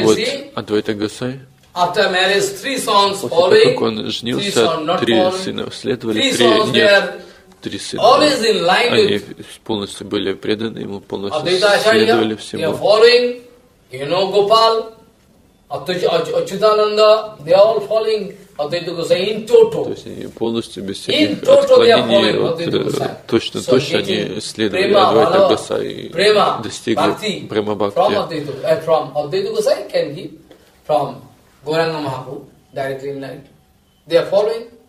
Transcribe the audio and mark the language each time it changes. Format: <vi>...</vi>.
<ru>И вот Адвайта Гасай, после того, как он женился, три сына следовали, три сына. Они полностью были преданы ему, полностью следовали всему.</ru> <en>Achyutananda, they are all following Advaita Gosai in total.</en> <ru>То есть они полностью без всяких отклонений, точно-точно они следовали Адвайта Гасай и достигли према бхакти.</ru> <en>From Advaita Gosai can give from Gauranga Mahaprabhu directly in light. They are following.</en>